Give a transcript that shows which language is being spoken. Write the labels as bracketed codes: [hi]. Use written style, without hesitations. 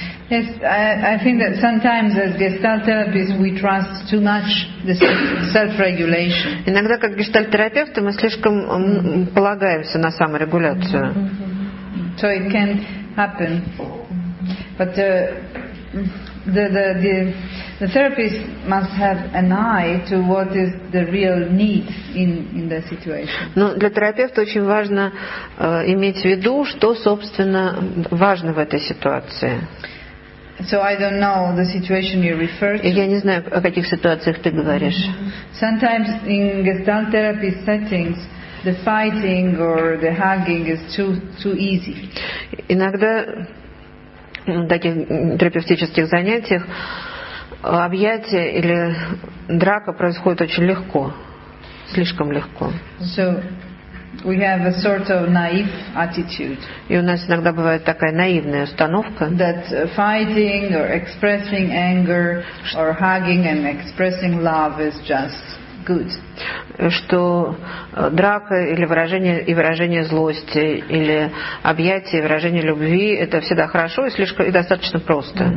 [en] Yes, I think that sometimes as gestalt therapists we trust too much the self-regulation. [ru] Иногда как гештальт-терапевты мы слишком полагаемся на саморегуляцию. [en] So it can happen. But the therapist must have an eye to what is the real need in the situation. [ru] Но для терапевта очень важно иметь в виду, что собственно важно в этой ситуации. [en] So I don't know the situation you refer to. [ru] Я не знаю, о каких ситуациях ты говоришь. [en] Sometimes in gestalt therapy settings the fighting or the hugging is too easy. [ru] Иногда в таких терапевтических занятиях объятия или драка происходит очень легко, слишком легко. [en] So we have a sort of naive attitude. [ru] И у нас иногда бывает такая наивная установка. [en] That fighting or expressing anger or hugging and expressing love is just good. [ru] Что драка или выражение и выражение злости или объятие и выражение любви это всегда хорошо и слишком и достаточно просто.